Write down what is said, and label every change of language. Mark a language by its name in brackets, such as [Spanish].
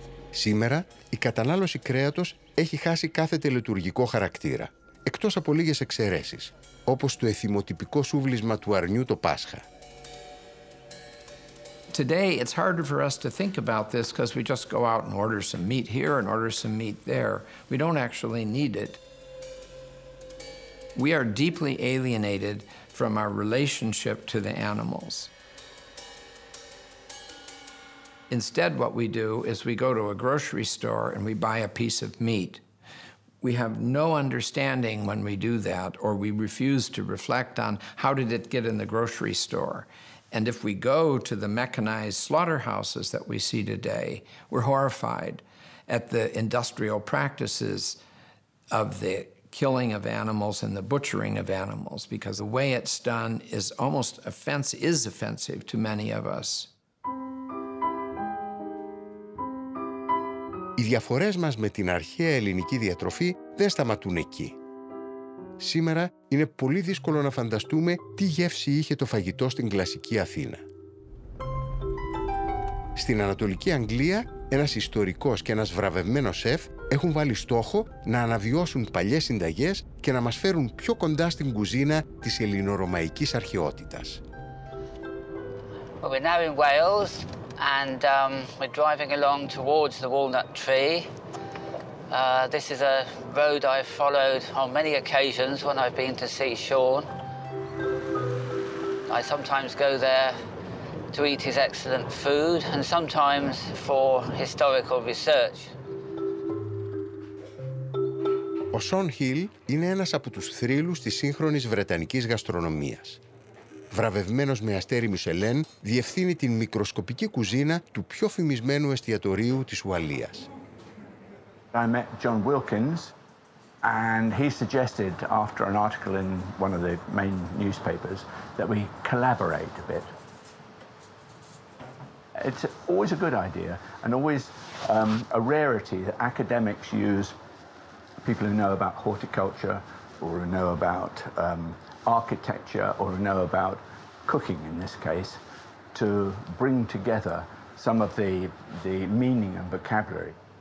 [Greek] Σήμερα, η κατανάλωση κρέατος έχει χάσει κάθε τελετουργικό χαρακτήρα. Εκτός από λίγες εξαιρέσεις, όπως το εθιμοτυπικό σούβλισμα του αρνιού το Πάσχα. [English] Today it's harder for us to think about this because we just go out and order some meat here and order some meat there. We don't actually need it. We are deeply alienated from our relationship to the animals. Instead, what we do is we go to a grocery store and we buy a piece of meat. We have no understanding when we do that, or we refuse to reflect on how did it get in the grocery store. And if we go to the mechanized slaughterhouses that we see today, we're horrified at the industrial practices of the killing of animals and the butchering of animals, because the way it's done is almost offensive to many of us. [Greek] Οι διαφορές μας με την αρχαία ελληνική διατροφή δεν σταματούν εκεί. Σήμερα είναι πολύ δύσκολο να φανταστούμε τι γεύση είχε το φαγητό στην κλασική Αθήνα. Στην Ανατολική Αγγλία, ένας ιστορικός και ένας βραβευμένος σεφ έχουν βάλει στόχο να αναβιώσουν παλιές συνταγές και να μας φέρουν πιο κοντά στην κουζίνα της ελληνορωμαϊκής αρχαιότητας. [English] Well, we're now in Wales and we're driving along towards the walnut tree. This is a road I've followed on many occasions when I've been to see Sean. I sometimes go there to eat his excellent food and sometimes for historical research. [Greek] Ο Σον Χιλ είναι ένας από τους θρύλους της σύγχρονης βρετανικής γαστρονομίας. Βραβευμένος με αστέρι Μισελέν, διευθύνει την μικροσκοπική κουζίνα του πιο φημισμένου εστιατορίου της Ουαλίας. [English] I met John Wilkins and he suggested after an article in one of the main newspapers that we collaborate a bit. It's always a good idea and always a rarity that academics use people who know about horticulture or who know about architecture or who know about cooking in this case to bring together some of the meaning and vocabulary.